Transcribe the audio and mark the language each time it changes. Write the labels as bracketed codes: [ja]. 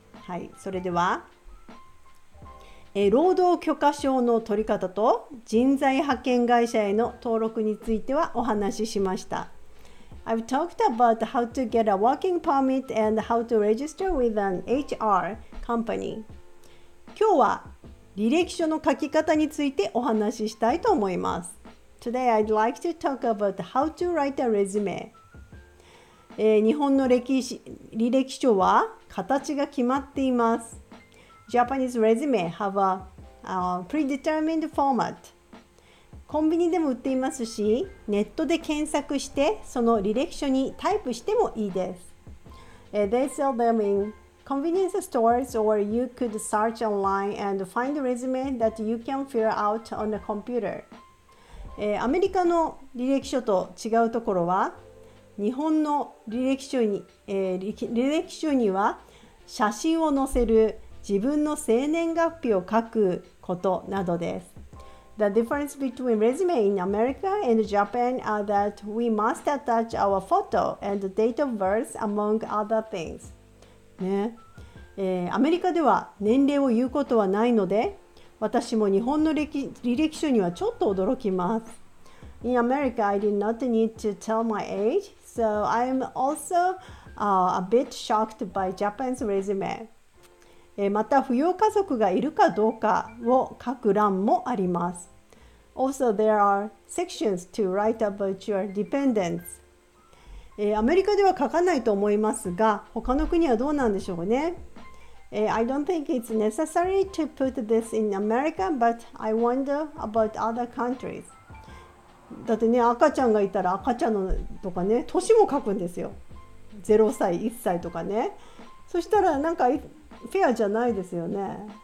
[ja] はい、それでは、労働許可証の取り方と人材派遣会社への登録についてはお話ししました。 [en] I've talked about how to get a working permit and how to register with an HR company. [ja] 今日は履歴書の書き方についてお話ししたいと思います。 [en] Today I'd like to talk about how to write a resume. [ja] 日本の履歴書は形が決まっています。 [en] Japanese resume have a predetermined format. [ja] コンビニでも売っていますし、ネットで検索してその履歴書にタイプしてもいいです。 [en] They sell them in convenience stores or you could search online and find a resume that you can fill out on the computer. [ja] アメリカの履歴書と違うところは、日本の履歴書に、履歴書には写真を載せる、自分の生年月日を書くことなどです。 [en] The difference between resume in America and Japan are that we must attach our photo and date of birth among other things. [ja] ね、アメリカでは年齢を言うことはないので、私も日本の履歴書にはちょっと驚きます。 [en] In America, I did not need to tell my age. So I'm also a bit shocked by Japan's resume. [ja] また扶養家族がいるかどうかを書く欄もあります。 [en] Also there are sections to write about your dependents. [ja] アメリカでは書かないと思いますが、他の国はどうなんでしょうね。 [en] I don't think it's necessary to put this in America, but I wonder about other countries. [ja] だってね、赤ちゃんがいたら赤ちゃんのとかね、年も書くんですよ。 0歳、1歳とかね。そしたらなんかフェアじゃないですよね。